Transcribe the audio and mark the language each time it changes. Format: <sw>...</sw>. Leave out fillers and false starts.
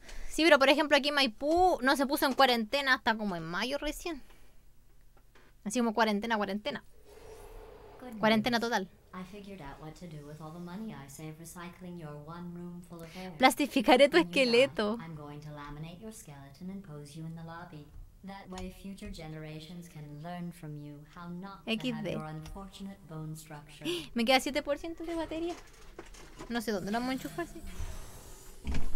<es>Sí, pero por ejemplo aquí Maipú no se puso en cuarentena hasta como en mayo recién. Así como cuarentena. Cuarentena total.</es> <en>I figured out what to do with all the money I save recycling your one room full of hair.</en> <es>Plastificaré tu esqueleto.</es> <en>I'm going to laminate your skeleton and pose you in the lobby. That way future generations can learn from you how not to have your unfortunate bone structure.</en> <es>Me queda 7% de batería. No sé dónde lo vamos a enchufar, sí.</es>